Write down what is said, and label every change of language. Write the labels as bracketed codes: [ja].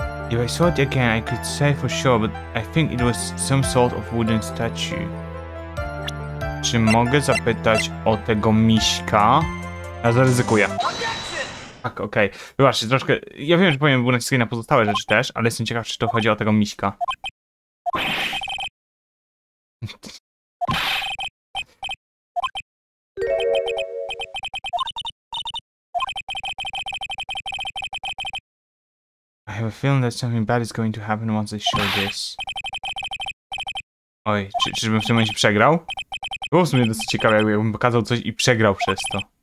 [en] If I saw it again, I could say for sure, but I think it was some sort of wooden statue. [pl] Czy mogę zapytać o tego miśka? Ja zaryzykuję. Tak, okej. Okay. Wybaczcie, troszkę. Ja wiem, że powiem, był naciskany na pozostałe rzeczy też, ale jestem ciekaw, czy to chodzi o tego miśka. [en] I have a feeling that something bad is going to happen once I show this. [pl] Oj, czyżbym w tym momencie przegrał? Było w sumie dosyć ciekawe, jakbym pokazał coś i przegrał przez to.